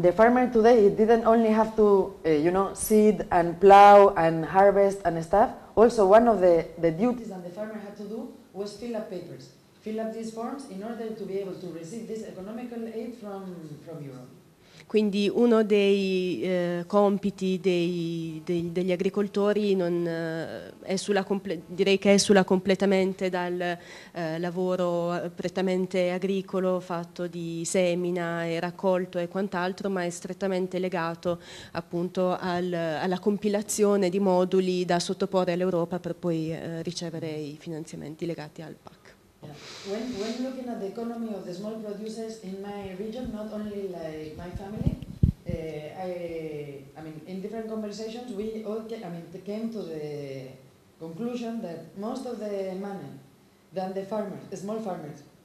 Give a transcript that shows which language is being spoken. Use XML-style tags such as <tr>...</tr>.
<en>the farmer today, he didn't only have to, you know, seed and plow and harvest and stuff. Also, one of the duties that the farmer had to do was fill up papers, fill up these forms in order to be able to receive this economical aid from Europe.</en> <it>Quindi uno dei compiti degli agricoltori non, è sulla direi che è sulla completamente dal lavoro prettamente agricolo fatto di semina e raccolto e quant'altro, ma è strettamente legato appunto alla compilazione di moduli da sottoporre all'Europa per poi ricevere i finanziamenti legati al PAC.</it> <en>Yeah. When looking at the economy of the small producers in my region, not only like my family, I mean, in different conversations, we all came to the conclusion that most of the money that the farmers, small farmers,</en>